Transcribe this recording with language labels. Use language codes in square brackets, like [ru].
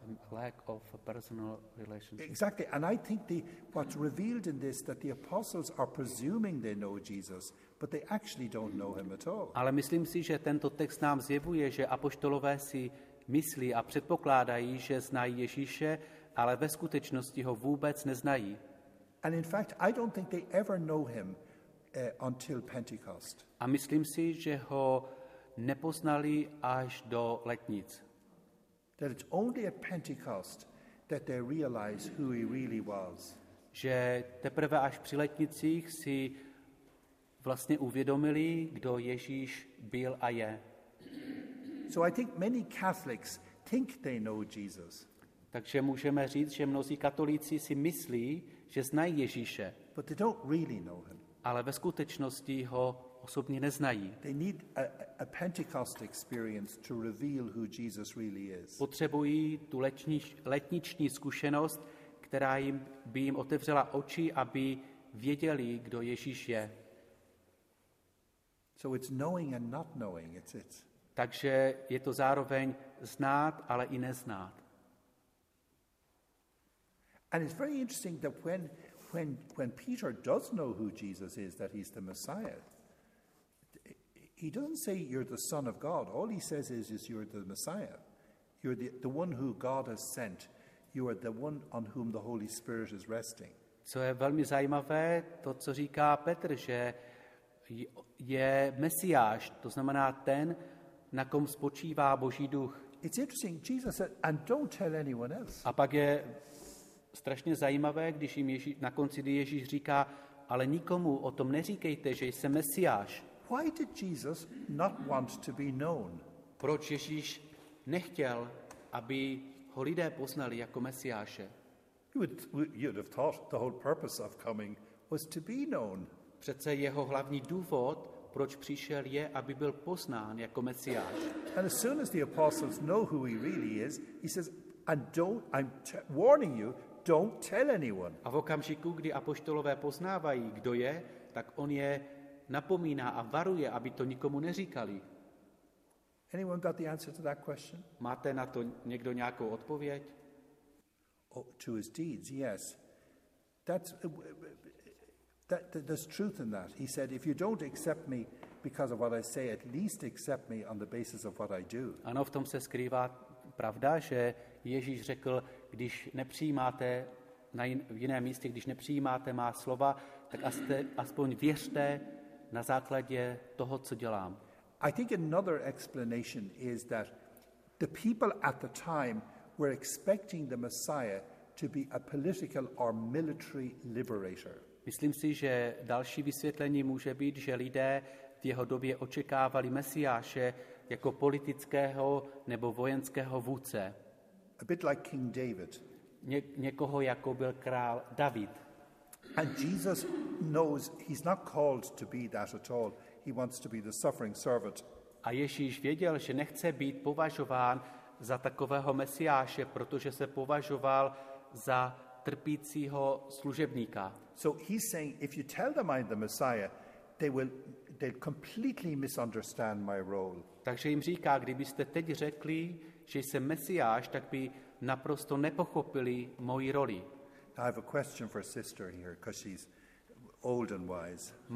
[en] Lack of a personal relationship. Exactly, and I think what's revealed in this that the apostles are presuming they know Jesus, but they actually don't know him at all. [cs] Ale myslím si, že tento text nám zjevuje, že apoštolové si myslí a předpokládají, že znají Ježíše, ale ve skutečnosti ho vůbec neznají. [en] And in fact, I don't think they ever know him until Pentecost. [cs] A myslím si, že ho nepoznali až do letnic. [en] That it's only at Pentecost that they realize who he really was. [cs] Že teprve až při letnicích si vlastně uvědomili, kdo Ježíš byl a je. [en] So I think many Catholics think they know Jesus. [cs] Takže můžeme říct, že mnozí katolíci si myslí, že znají Ježíše. [en] But they don't really know him. [cs] Ale ve skutečnosti ho osobně neznají. [en] They need a Pentecost experience to reveal who Jesus really is. [cs] Potřebují tu letniční zkušenost, která jim by jim otevřela oči, aby věděli, kdo Ježíš je. [en] So it's knowing and not knowing. It's. [cs] Takže je to zároveň znát, ale i neznát. [en] And it's very interesting that when Peter does know who Jesus is, that he's the Messiah, he doesn't say you're the Son of God. All he says is you're the Messiah. You're the one who God has sent. You are the one on whom the Holy Spirit is resting. [cs] Co je velmi zajímavé, to, co říká Petr, že je Mesiáš, to znamená ten, na kom spočívá Boží duch. [en] It's interesting, Jesus said, and don't tell anyone else. [cs] A pak je strašně zajímavé, když jim Ježíš, na konci Ježíš říká, ale nikomu o tom neříkejte, že jsem Mesiáš. [en] Why did Jesus not want to be known? [cs] Proč Ježíš nechtěl, aby ho lidé poznali jako Mesiáše? [en] You'd have thought the whole purpose of coming was to be known. [cs] Přece jeho hlavní důvod, proč přišel, je, aby byl poznán jako Mesiáš. [en] And as soon as the apostles know who he really is, he says, and don't, I'm warning you, don't tell anyone. [cs] A v okamžiku, kdy apoštolové poznávají, kdo je, tak on je napomíná a varuje, aby to nikomu neříkali. [en] Anyone got the answer to that question? [cs] Máte na to někdo nějakou odpověď? [en] Oh, to his deeds, yes. That's there's truth in that. He said, if you don't accept me because of what I say, at least accept me on the basis of what I do. [cs] Ano, v tom se skrývá pravda, že Ježíš řekl, když nepřijímáte v jiném místě, když nepřijímáte má slova, tak aspoň věřte na základě toho, co dělám. [en] I think another explanation is that the people at the time were expecting the Messiah to be a political or military liberator. [cs] Myslím si, že další vysvětlení může být, že lidé v jeho době očekávali Mesiáše jako politického nebo vojenského vůdce. [en] A bit like King David. [cs] Někoho jako byl král David. [en] And Jesus knows he's not called to be that at all. He wants to be the suffering servant. [cs] A Ježíš věděl, že nechce být považován za takového Mesiáše, protože se považoval za trpícího služebníka. [en] So he's saying if you tell them I'm the Messiah, they'll completely misunderstand my role. [cs] Takže jim říká, kdybyste teď řekli, že jsem Mesiáš, tak by naprosto nepochopili moji roli. [en] I have a question for sister here, because she's old and wise.